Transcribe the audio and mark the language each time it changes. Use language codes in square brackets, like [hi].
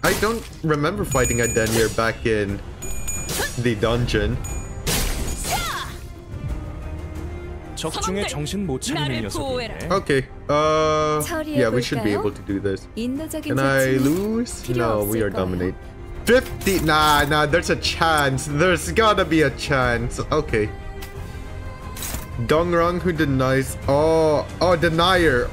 [en] I don't remember fighting a Denier back in the dungeon. [ko] 적중에 정신 못 차리는 녀석이네. [en] Okay. Yeah, we should be able to do this. Can I lose? No, we are dominate. 50. Nah, there's a chance. There's gotta be a chance. Okay. Dongrong, who denies? Oh, denier.